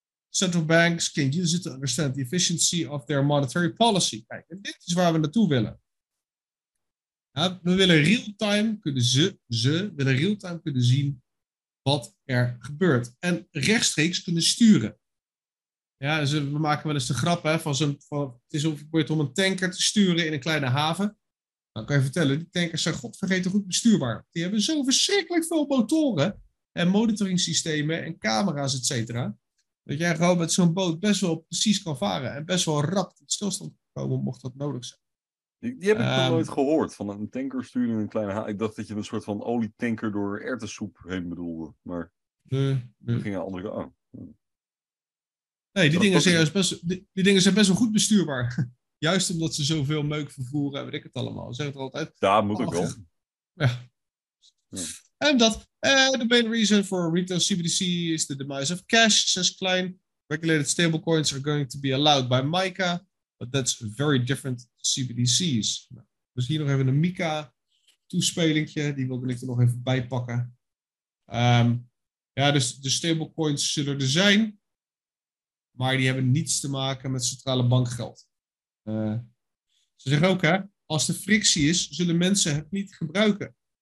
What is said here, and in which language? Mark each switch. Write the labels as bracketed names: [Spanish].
[English] Central banks can use it to understand the efficiency of their monetary policy. [Dutch] Kijk, en dit is waar we naartoe willen. Ja, we willen real-time kunnen zien wat er gebeurt. En rechtstreeks kunnen sturen. Ja, dus we maken wel eens de grap, hè, het is om een tanker te sturen in een kleine haven. Dan kan je vertellen, die tankers zijn godvergeten goed bestuurbaar. Die hebben zo verschrikkelijk veel motoren en monitoringssystemen en camera's, et cetera. Dat jij gewoon met zo'n boot best wel precies kan varen en best wel rap tot stilstand kan komen, mocht dat nodig zijn. Die heb ik nog nooit gehoord, van een tanker sturen in een kleine haven. Ik dacht dat je een soort van olietanker door erwtensoep heen bedoelde, maar dat ging een andere kant aan. Nee, die dingen zijn best wel goed bestuurbaar. Juist omdat ze zoveel meuk vervoeren, weet ik het allemaal. Zeg het altijd. Ja, moet ook wel. Ja. En dat. [English] The main reason for retail CBDC is the demise of cash, says Klein. Regulated stablecoins are going to be allowed by MiCA, but that's very different CBDC's. [Dutch] Dus hier nog even een MiCA toespelingtje. Die wil ik er nog even bij pakken. Dus de stablecoins zullen er zijn. Maar die hebben niets te maken met centrale bankgeld. Ze zeggen ook, hè, als er frictie is, zullen mensen het niet gebruiken.